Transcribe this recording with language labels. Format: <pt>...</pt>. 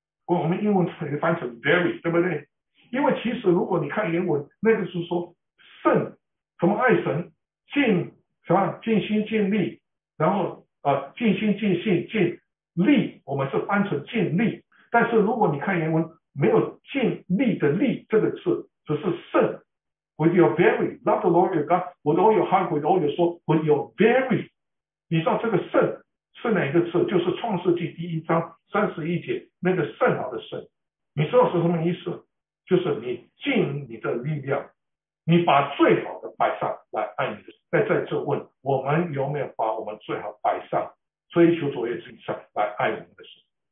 <zh>我们英文可以翻成 very， 对不对？因为其实如果你看原文，那个是说圣，什么爱神，尽什么尽心尽力，然后尽心尽性尽力，我们是翻成尽力。但是如果你看原文，没有尽力的力这个字，只是圣。</zh> <en>With your very, love the Lord your God with all your heart, with all your soul, with your very，</en> <zh>你知道这个圣是哪一个字？就是创世纪第一章三十一节那个圣好的圣，你知道是什么意思？就是你尽你的力量，你把最好的摆上来爱你的。在这问我们有没有把我们最好摆上，追求卓越之上来爱我们的神？</zh>